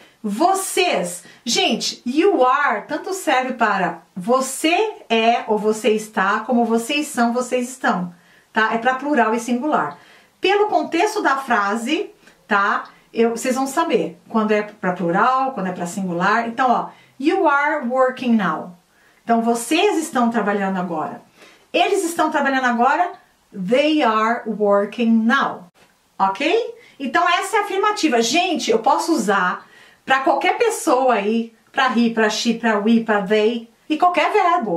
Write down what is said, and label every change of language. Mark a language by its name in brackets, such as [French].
[Portuguese] Vocês. Gente, [English] you are [Portuguese] tanto serve para você é ou você está, como vocês são, vocês estão. Tá? É para plural e singular. Pelo contexto da frase, tá? Vocês vão saber quando é para plural, quando é para singular. Então, ó, [English] you are working now. [Portuguese] Então, vocês estão trabalhando agora. Eles estão trabalhando agora. [English] They are working now. Ok? [Portuguese] Então, essa é a afirmativa. Gente, eu posso usar para qualquer pessoa aí, para he, para she, para we, para they, e qualquer verbo.